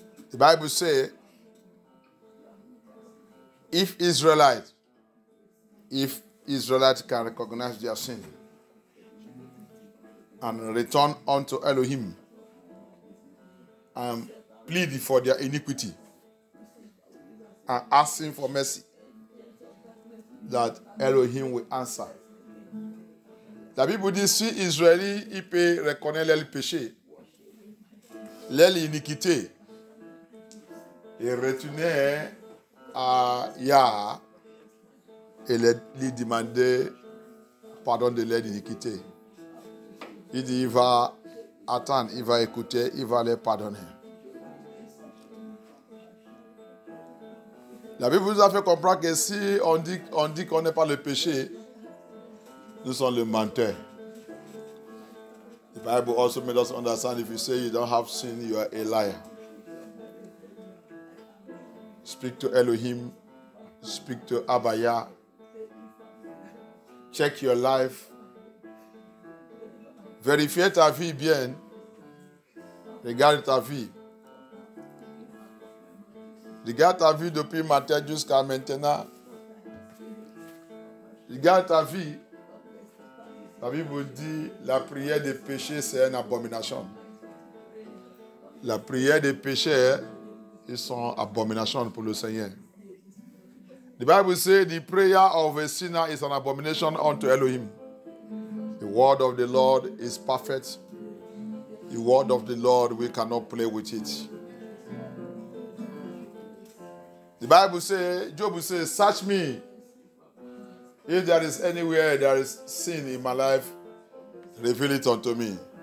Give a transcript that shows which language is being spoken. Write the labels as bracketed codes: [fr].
[en] The Bible says, if Israelite can recognize their sin and return unto Elohim and plead for their iniquity and ask him for mercy, that Elohim will answer. [fr] La Bible dit, si Israël il peut reconnaître le péché, l'iniquité, et retourner à Yah et lui demander pardon de l'iniquité, il dit, il va attendre, il va écouter, il va les pardonner. La Bible nous a fait comprendre que si on dit qu'on n'est pas le péché, nous sommes le menteur. [en] The Bible also made us understand, if you say you don't have sin, you are a liar. Speak to Elohim. Speak to Abaya. Check your life. [fr] Vérifiez ta vie bien. Regarde ta vie. Regarde ta vie depuis matin jusqu'à maintenant. Regarde ta vie. La Bible dit, la prière des péchés, c'est une abomination. La prière des péchés, ils sont abomination pour le Seigneur. [en] The Bible says, the prayer of a sinner is an abomination unto Elohim. The word of the Lord is perfect. The word of the Lord, we cannot play with it. The Bible says, Job says, search me. If there is anywhere there is sin in my life, reveal it unto me.